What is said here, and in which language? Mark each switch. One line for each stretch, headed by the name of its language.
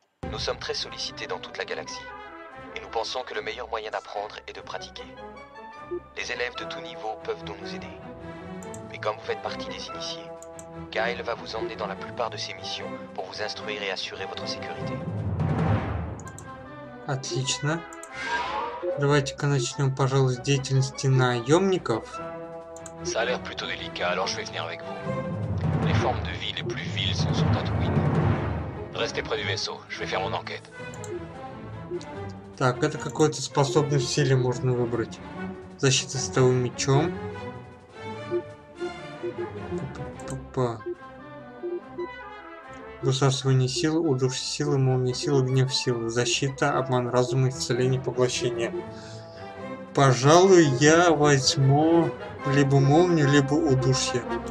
French: Nous sommes très sollicités dans toute la galaxie. Et nous pensons que le meilleur moyen d'apprendre est de pratiquer. Les élèves de tout niveau peuvent donc nous aider. Mais comme vous faites partie des initiés, Kyle va vous emmener dans la plupart de ses missions pour vous instruire et assurer votre sécurité.
Russian: Отлично. Давайте-ка начнем, пожалуй, с деятельности наемников.
French: Ça a l'air plutôt délicat, alors je vais venir avec vous. Les formes de vie les plus viles sont sur Tatooine. Restez près du vaisseau, je vais faire mon enquête.
Russian: Так, это какую-то способность в силе можно выбрать. Защита с того мечом. Па-па-па-па. Высасывание силы, удушь силы, молния силы, гнев силы. Защита, обман разума, исцеление, поглощение. Пожалуй, я возьму либо молнию, либо удушье.